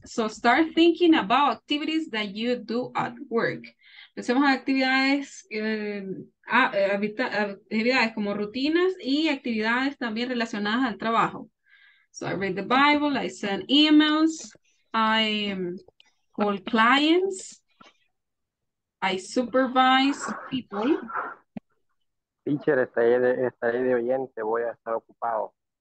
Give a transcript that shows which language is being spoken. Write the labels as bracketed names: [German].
[English] So start thinking about activities that you do at work. [Spanish] Empecemos a actividades como rutinas y actividades también relacionadas al trabajo. [English] So I read the Bible, I send emails, I call clients, I supervise people. [Spanish] Teacher, estaré de oyente, voy a estar ocupado.